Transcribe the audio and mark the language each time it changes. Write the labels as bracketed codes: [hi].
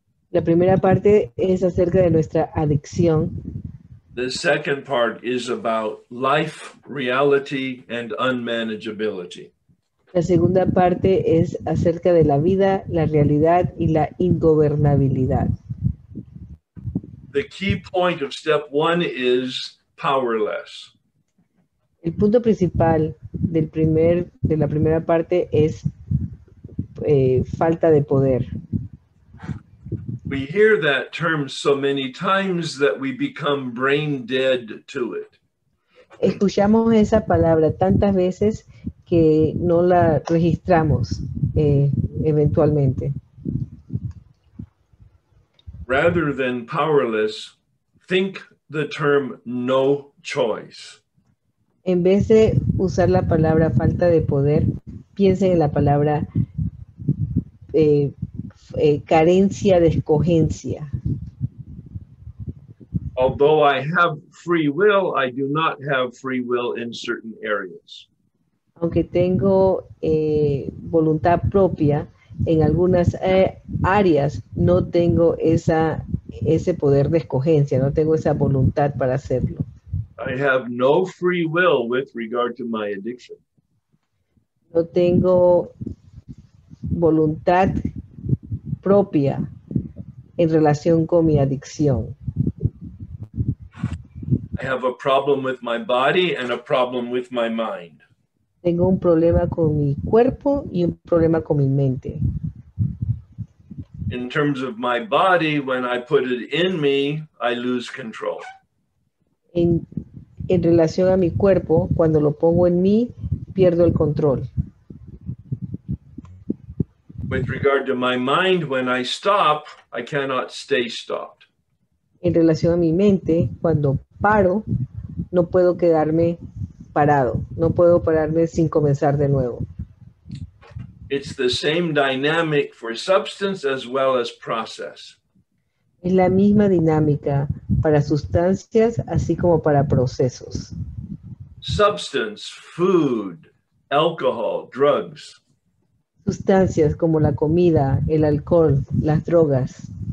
[es] La primera parte es acerca de nuestra adicción. [en] The second part is about life, reality, and unmanageability. [es] La segunda parte es acerca de la vida, la realidad y la ingobernabilidad. [en] The key point of step one is powerless. [es] El punto principal del primer, de la primera parte es falta de poder. [en] We hear that term so many times that we become brain dead to it. [es] Escuchamos esa palabra tantas veces que no la registramos eventualmente. [en] Rather than powerless, think the term no choice. [es] En vez de usar la palabra falta de poder, piensen en la palabra carencia de escogencia. [en] Although I have free will, I do not have free will in certain areas. [es] Aunque tengo voluntad propia en algunas áreas, no tengo ese poder de escogencia, no tengo esa voluntad para hacerlo. [en] I have no free will with regard to my addiction. [es] No tengo voluntad propia en relación con mi adicción. [en] I have a problem with my body and a problem with my mind. [es] Tengo un problema con mi cuerpo y un problema con mi mente. [en] In terms of my body, when I put it in me, I lose control. [es] En relación a mi cuerpo, cuando lo pongo en mí, pierdo el control. [en] With regard to my mind, when I stop, I cannot stay stopped. [es] En relación a mi mente, cuando paro, no puedo quedarme parado. No puedo pararme sin comenzar de nuevo. [en] It's the same dynamic for substance as well as process. [es] Es la misma dinámica para sustancias, así como para procesos. [en] Substance, food, alcohol, drugs. [es] Sustancias como la comida, el alcohol, las drogas.